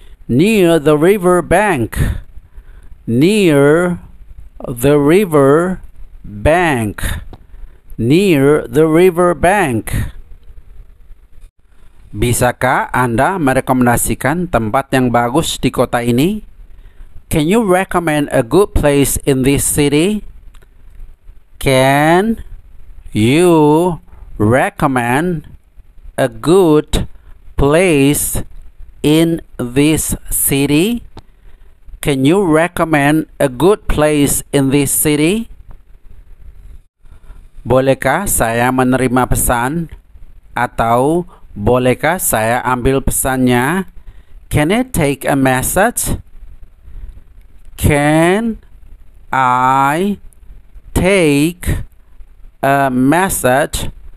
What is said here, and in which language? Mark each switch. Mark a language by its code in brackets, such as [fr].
[en] Near the river bank. Near the river bank. Near the river bank. [id] Bisakah Anda merekomendasikan tempat yang bagus di kota ini? [en] Can you recommend a good place in this city? Can you recommend a good place in this city? Can you recommend a good place in this city? [id] Bolehkah saya menerima pesan? Atau bolehkah saya ambil pesannya? [en] Can I take a message? Can I take a message?